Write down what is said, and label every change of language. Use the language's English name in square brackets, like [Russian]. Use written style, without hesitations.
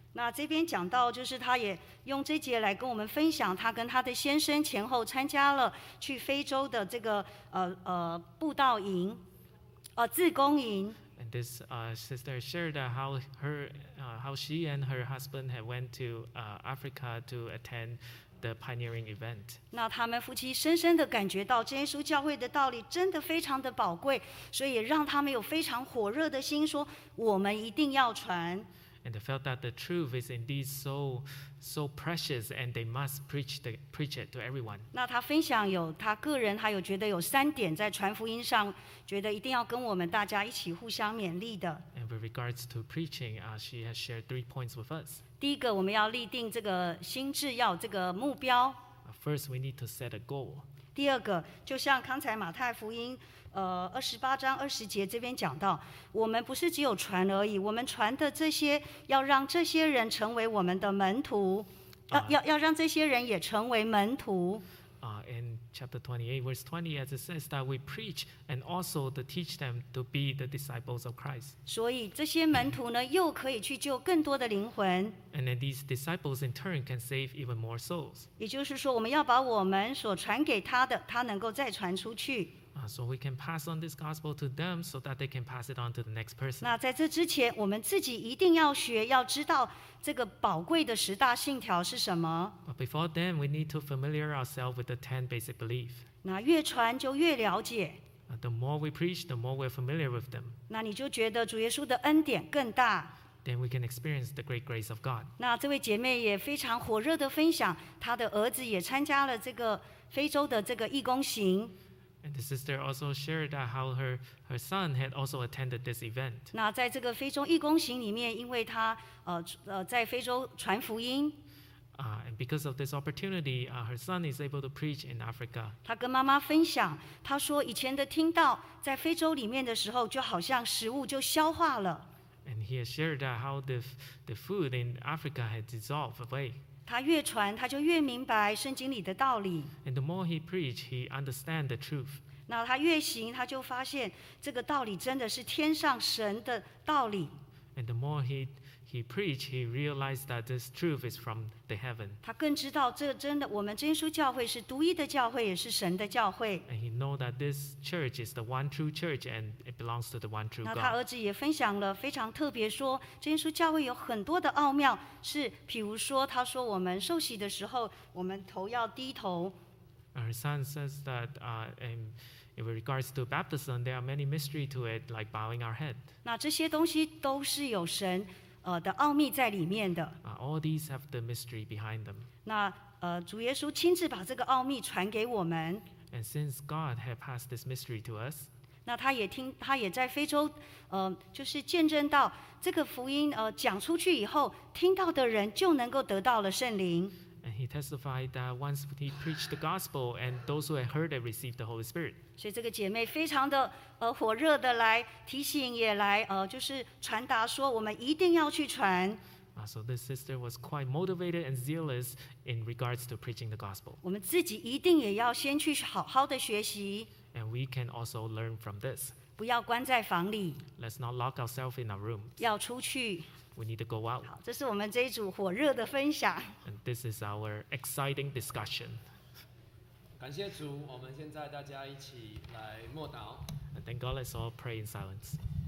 [Chinese] 那这边讲到，就是他也用这节来跟我们分享，他跟他的先生前后参加了去非洲的这个布道营，自工营。 [English] And this sister shared how she and her husband had went to Africa to attend the pioneering event. [Chinese] 那他们夫妻深深的感觉到真耶稣教会的道理真的非常的宝贵，所以也让他们有非常火热的心，说我们一定要传。 [English] And they felt that the truth is indeed so precious, and they must preach it to everyone. [Chinese] 那他分享有他个人，他有觉得有三点在传福音上，觉得一定要跟我们大家一起互相勉励的。 [English] And with regards to preaching, she has shared 3 points with us. [Chinese] 第一个，我们要立定这个心智，要这个目标。 [English] First, we need to set a goal. [Chinese] 第二个，就像刚才马太福音。28:20这边讲到，我们不是只有传而已，我们传的这些要让这些人成为我们的门徒，要让这些人也成为门徒。 [English] In chapter 28:20, as it says that we preach and also to teach them to be the disciples of Christ. [Chinese] 所以这些门徒呢，又可以去救更多的灵魂。 [English] And then these disciples in turn can save even more souls. [Chinese] 也就是说，我们要把我们所传给他的，他能够再传出去。 [English] So we can pass on this gospel to them so that they can pass it on to the next person. [Chinese] 那在这之前，我们自己一定要学，要知道这个宝贵的十大信条是什么。 [English] But before then, we need to familiarize ourselves with the 10 basic beliefs. [Chinese] 那越传就越了解。 [English] The more we preach, the more we're familiar with them. [Chinese] 那你就觉得主耶稣的恩典更大。 [English] Then we can experience the great grace of God. [Chinese] 那这位姐妹也非常火热地分享，她的儿子也参加了这个非洲的这个义工行。 [English] And the sister also shared how her son had also attended this event. [Chinese] 那在这个非洲义工行里面，因为他在非洲传福音。 [English] And because of this opportunity, her son is able to preach in Africa. [Chinese] 他跟妈妈分享，他说以前的听到在非洲里面的时候，就好像食物就消化了。 [English] And he has shared how the food in Africa had dissolved away. [Chinese] 他越传，他就越明白圣经里的道理。 [English] And the more he preached, he understand the truth. [Chinese] 那他越行，他就发现这个道理真的是天上神的道理。 [English] And the more he preached, he realized that this truth is from the heaven. [Chinese] 他更知道这真的，我们真耶稣教会是独一的教会，也是神的教会。 [English] And he know that this church is the one true church, and it belongs to the one true God. [Chinese] 那他儿子也分享了非常特别说，真耶稣教会有很多的奥妙，是譬如说，他说我们受洗的时候，我们头要低头。 [English] Her son says that, In regards to baptism, there are many mysteries to it, like bowing our head. [Chinese] 那这些东西都是有神的奥秘在里面的。 [English] All these have the mystery behind them. [Chinese] 那主耶稣亲自把这个奥秘传给我们。 [English] And since God had passed this mystery to us, [Chinese] 那他也在非洲就是见证到这个福音讲出去以后，听到的人就能够得到了圣灵。 [English] And he testified that once he preached the gospel, and those who had heard it received the Holy Spirit. [Chinese] 所以这个姐妹非常的火热的来提醒，也来就是传达说，我们一定要去传。 [English] So this sister was quite motivated and zealous in regards to preaching the gospel. [Chinese] 我们自己一定也要先去好好的学习。 [English] And we can also learn from this. [Chinese] 不要关在房里。 [English] Let's not lock ourselves in our room. [Chinese] 要出去。 [English] We need to go out. [Chinese] 好，这是我们这一组火热的分享。 [English] And this is our exciting discussion. [Chinese] 感谢主，我们现在大家一起来默祷。 [English] And thank God, let's all pray in silence.